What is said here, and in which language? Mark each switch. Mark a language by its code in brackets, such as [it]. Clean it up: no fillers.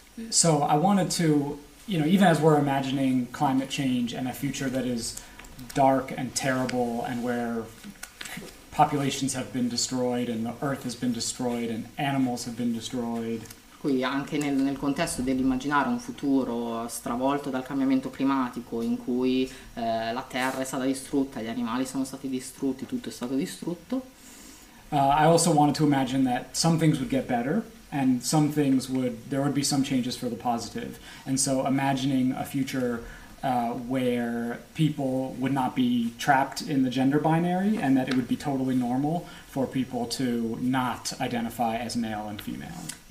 [en] So I wanted to, you know, even as we're imagining climate change and a future that is dark and terrible and where populations have been destroyed and the earth has been destroyed and animals have been destroyed. [it] Qui anche nel contesto dell'immaginare un futuro stravolto dal cambiamento climatico in cui la terra è stata distrutta, gli animali sono stati distrutti, tutto è stato distrutto. [en] I also wanted to imagine that some things would get better. And some things there would be some changes for the positive. And so imagining a future where people would not be trapped in the gender binary and that it would be totally normal for people to not identify as male and female.